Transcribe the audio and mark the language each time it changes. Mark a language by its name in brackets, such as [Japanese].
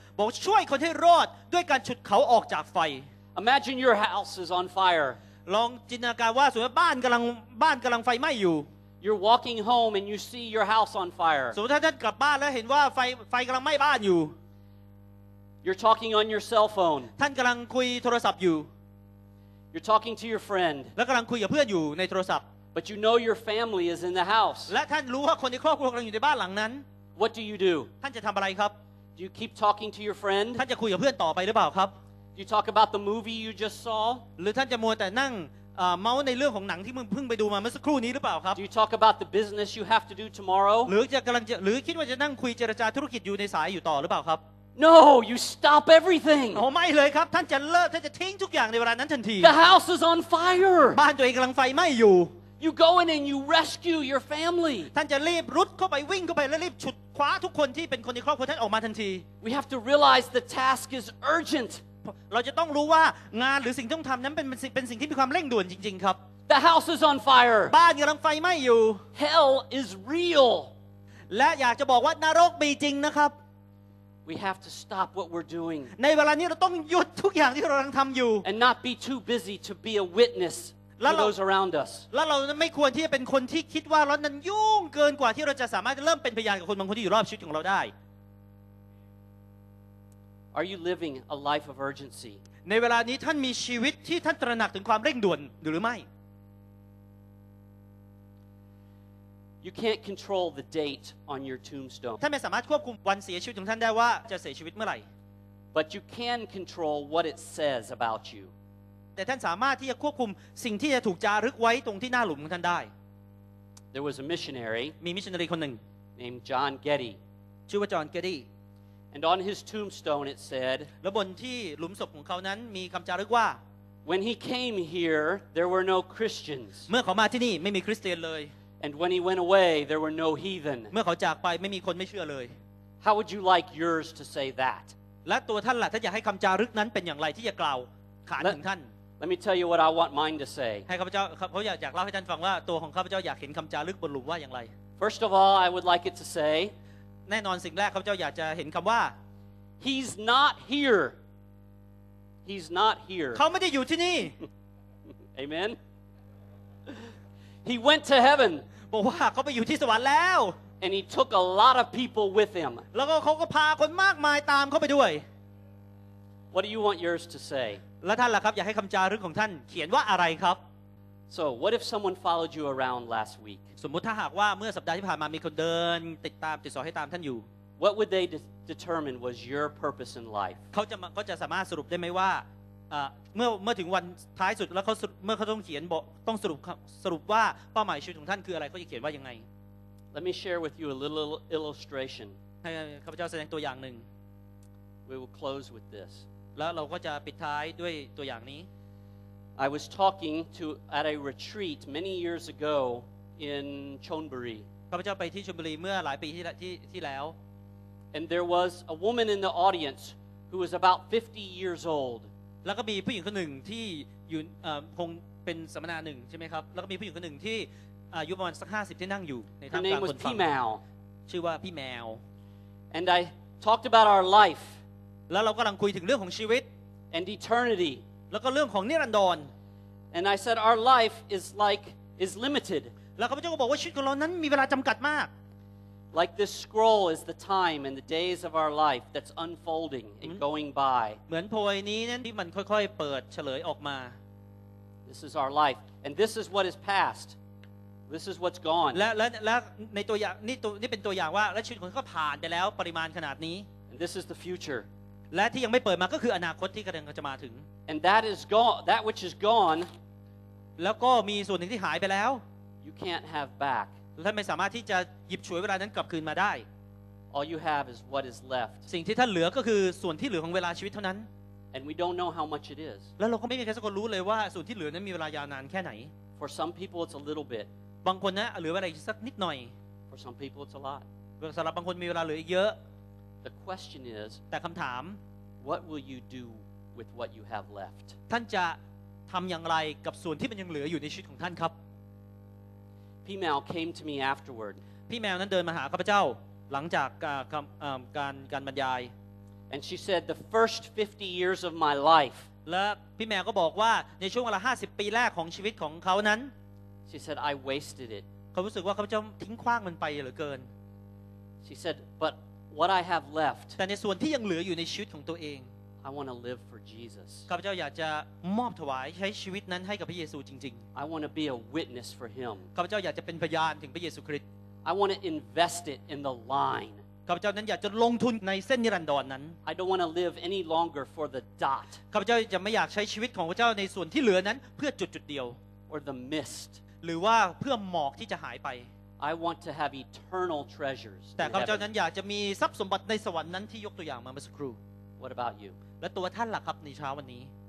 [Thai] บอกช่วยคนให้รอดด้วยการฉุดเขาออกจากไฟ [English] imagine your house is on fire [Thai] ลองจินตนาการว่าสมมติบ้านกำลังไฟไหม้อยู่ [English] you're walking home and you see your house on fire [Thai] สมมติท่านกลับบ้านแล้วเห็นว่าไฟกำลังไหม้บ้านอยู่ [English] you're talking on your cell phone [Thai] ท่านกำลังคุยโทรศัพท์อยู่ [English] You're talking to your friend. [Thai] แล้วกำลังคุยกับเพื่อนอยู่ในโทรศัพท์ [English] But you know your family is in the house. [Thai] และท่านรู้ว่าคนในครอบครัวกำลังอยู่ในบ้านหลังนั้น [English] What do you do? [Thai] ท่านจะทำอะไรครับ [English] Do you keep talking to your friend? [Thai] ท่านจะคุยกับเพื่อนต่อไปหรือเปล่าครับ [English] Do you talk about the movie you just saw? [Thai] หรือท่านจะมัวแต่นั่งเมาในเรื่องของหนังที่มึงเพิ่งไปดูมาเมื่อสักครู่นี้หรือเปล่าครับ [English] Do you talk about the business you have to do tomorrow? [Thai] หรือจะกำลังจะหรือคิดว่าจะนั่งคุยเจรจาธุรกิจอยู่ในสายอยู่ต่อหรือเปล่าครับ [English] No, you stop everything. [Thai] Oh, ไม่เลยครับท่านจะเลิกท่านจะทิ้งทุกอย่างในเวลานั้นทันที [English] The house is on fire. [Thai] บ้านตัวเองกำลังไฟไหม้อยู่ [English] You go in and you rescue your family. [Thai] ท่านจะรีบรุดเข้าไปวิ่งเข้าไปและรีบฉุดคว้าทุกคนที่เป็นคนในครอบครัวท่านออกมาทันที [English] We have to realize the task is urgent. [Thai] เราจะต้องรู้ว่างานหรือสิ่งที่ต้องทำนั้นเป็นสิ่งที่มีความเร่งด่วนจริงๆครับ [English] The house is on fire. [Thai] บ้านกำลังไฟไหม้อยู่ [English] Hell is real. [Thai] และอยากจะบอกว่านรกมีจริงนะครับ [English] We have to stop what we're doing. [Thai] ในเวลานี้เราต้องหยุดทุกอย่างที่เรากำลังทำอยู่ [English] And not be too busy to be a witness to those around us. [Thai] และเราไม่ควรที่จะเป็นคนที่คิดว่าเรานั้นยุ่งเกินกว่าที่เราจะสามารถเริ่มเป็นพยานกับคนบางคนที่อยู่รอบชีวิตของเราได้ [English] Are you living a life of urgency? [Thai] ในเวลานี้ท่านมีชีวิตที่ท่านตระหนักถึงความเร่งด่วนหรือไม่ [English] You can't control the date on your tombstone. [Thai] ท่านไม่สามารถควบคุมวันเสียชีวิตของท่านได้ว่าจะเสียชีวิตเมื่อไหร่ [English] But you can control what it says about you. [Thai] แต่ท่านสามารถที่จะควบคุมสิ่งที่จะถูกจารึกไว้ตรงที่หน้าหลุมของท่านได้ [English] There was a missionary. [Thai] มีมิชชันนารีคนหนึ่ง [English] named John Getty. [Thai] ชื่อว่าจอห์นเกตตี้ [English] And on his tombstone it said. [Thai] และบนที่หลุมศพของเขานั้นมีคำจารึกว่า [English] When he came here, there were no Christians. [Thai] เมื่อเขามาที่นี่ไม่มีคริสเตียนเลย [English] And when he went away, there were no heathen. [Thai] เมื่อเขาจากไปไม่มีคนไม่เชื่อเลย [English] How would you like yours to say that? [Thai] และตัวท่านล่ะท่านอยากให้คำจารึกนั้นเป็นอย่างไรที่จะกล่าวขานถึงท่าน [English] Let me tell you what I want mine to say. [Thai] ให้ข้าพเจ้าเขาอยากเล่าให้ท่านฟังว่าตัวของข้าพเจ้าอยากเห็นคำจารึกบนหลุมว่าอย่างไร [English] First of all, I would like it to say. [Thai] แน่นอนสิ่งแรกข้าพเจ้าอยากจะเห็นคำว่า [English] He's not here. He's not here. [Thai] เขาไม่ได้อยู่ที่นี่ [English] Amen. He went to heaven. [Thai] บอกว่าเขาไปอยู่ที่สวรรค์แล้ว [English] And he took a lot of people with him [Thai] แล้วก็เขาก็พาคนมากมายตามเขาไปด้วย [English] What do you want yours to say [Thai] แล้วท่านล่ะครับอยากให้คำจารึกของท่านเขียนว่าอะไรครับ [English] So what if someone followed you around last week [Thai] สมมุติถ้าหากว่าเมื่อสัปดาห์ที่ผ่านมามีคนเดินติดตามติดสอให้ตามท่านอยู่ [English] What would they determine was your purpose in life [Thai] เขาจะสามารถสรุปได้ไหมว่าเมื่อถึงวันท้ายสุดแล้วเมื่อเขาต้องเขียนบอกต้องสรุปว่าเป้าหมายชีวิตของท่านคืออะไรเขาจะเขียนว่ายังไง [English] Let me share with you a little illustration [Thai] ให้ข้าพเจ้าแสดงตัวอย่างหนึ่ง [English] We will close with this [Thai] แล้วเราก็จะปิดท้ายด้วยตัวอย่างนี้ [English] I was talking to at a retreat many years ago in Chonburi [Thai] ข้าพเจ้าไปที่ชลบุรีเมื่อหลายปีที่แล้ว [English] And there was a woman in the audience who was about 50 years old [Thai] แล้วก็มีผู้หญิงคนหนึ่งที่อยู่คงเป็นสัมมนาหนึ่งใช่ไหมครับแล้วก็มีผู้หญิงคนหนึ่งที่อายุประมาณสัก50ที่นั่งอยู่ในท่ามกลางคนฟัง ชื่อว่าพี่แมว [English] and I talked about our life [Thai] แล้วเรากำลังคุยถึงเรื่องของชีวิต [English] and eternity [Thai] แล้วก็เรื่องของนิรันดร [English] and I said our life is limited [Thai] แล้วข้าพเจ้าก็บอกว่าชีวิตของเรานั้นมีเวลาจำกัดมาก [English] Like this scroll is the time and the days of our life that's unfolding and going by. [Thai] เหมือนโพยนี้นั้นที่มันค่อยๆเปิดเฉลยออกมา [English] This is our life and this is what is past. This is what's gone. [Thai] และในตัวอย่างนี่เป็นตัวอย่างว่าและชีวิตของเขาผ่านไปแล้วปริมาณขนาดนี้ [English] And this is the future. [Thai] และที่ยังไม่เปิดมาก็คืออนาคตที่กำลังจะมาถึง [English] And that is gone. That which is gone. [Thai] แล้วก็มีส่วนหนึ่งที่หายไปแล้ว [English] You can't have back. [Thai] ท่านไม่สามารถที่จะหยิบฉวยเวลานั้นกลับคืนมาได้ [English] All you have is what is left [Thai] สิ่งที่ท่านเหลือก็คือส่วนที่เหลือของเวลาชีวิตเท่านั้น [English] And we don't know how much it is [Thai] แล้วเราก็ไม่มีใครสักคนรู้เลยว่าส่วนที่เหลือนั้นมีเวลายาวนานแค่ไหน [English] For some people it's a little bit [Thai] บางคนนะเหลือเวลาสักนิดหน่อย [English] For some people it's a lot [Thai] สำหรับบางคนมีเวลาเหลือเยอะ [English] The question is [Thai] แต่คำถาม [English] What will you do with what you have left [Thai] ท่านจะทำอย่างไรกับส่วนที่มันยังเหลืออยู่ในชีวิตของท่านครับ พี่แมวเข้ามาที่มีอัฟเตอร์เวิร์ด พี่แมวนั้นเดินมาหาข้าพเจ้าหลังจากการบรรยาย [English] and she said the first 50 years of my life [Thai] และพี่แมวก็บอกว่าในช่วงเวลา50ปีแรกของชีวิตของเขานั้น [English] she said I wasted it [Thai] เขารู้สึกว่าข้าพเจ้าทิ้งขว้างมันไปเหลือเกิน [English] she said but what I have left [Thai] แต่ในส่วนที่ยังเหลืออยู่ในชีวิตของตัวเอง [English] I want to live for Jesus. [Thai] ข้าพเจ้าอยากจะมอบถวายใช้ชีวิตนั้นให้กับพระเยซูจริง [English] ๆ I want to be a witness for him. [Thai] ข้าพเจ้าอยากจะเป็นพยานถึงพระเยซูคริสต์ [English] I want to invest it in the line. [Thai] ข้าพเจ้านั้นอยากจะลงทุนในเส้นนิรันดรนั้น [English] I don't want to live any longer for the dot. [Thai] ข้าพเจ้าจะไม่อยากใช้ชีวิตของพระเจ้าในส่วนที่เหลือนั้นเพื่อจุดๆเดียว [English] or the mist. [Thai] หรือว่าเพื่อหมอกที่จะหายไป [English] I want to have eternal treasures. [Thai] แต่ข้าพเจ้านั้นอยากจะมีทรัพย์สมบัติในสวรรค์นั้นที่ยกตัวอย่างมาเมื่อสักครู่ [English] What about you? [Thai] และตัวท่านล่ะครับในเช้าวันนี้